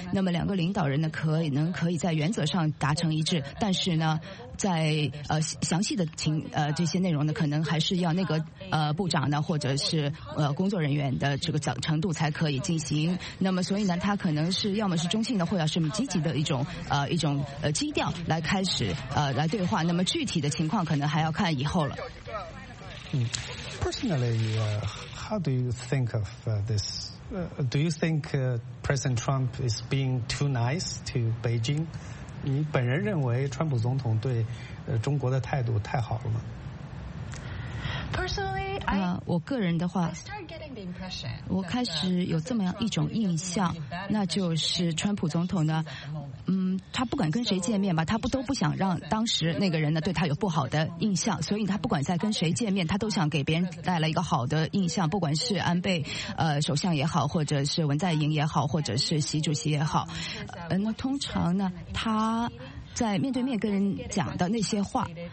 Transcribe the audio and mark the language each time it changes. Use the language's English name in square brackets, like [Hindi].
[Chinese] 那么两个领导人呢可以在原则上达成一致，但是呢在详细的这些内容呢，可能还是要那个部长呢，或者是工作人员的这个程度才可以进行。那么所以呢，他可能是要么是中性的，或者是积极的一种基调来开始来对话。那么具体的情况可能还要看以后了。 [English] Personally, how do you think of this? Do you think President Trump is being too nice to Beijing? [Chinese] 你本人认为川普总统对中国的态度太好了吗？我个人的话，我开始有这么样一种印象，那就是川普总统呢，他不管跟谁见面吧，他都不想让当时那个人呢对他有不好的印象，所以他不管在跟谁见面，他都想给别人带来一个好的印象，不管是安倍首相也好，或者是文在寅也好，或者是习主席也好，那通常呢，他在面对面跟人讲的那些话，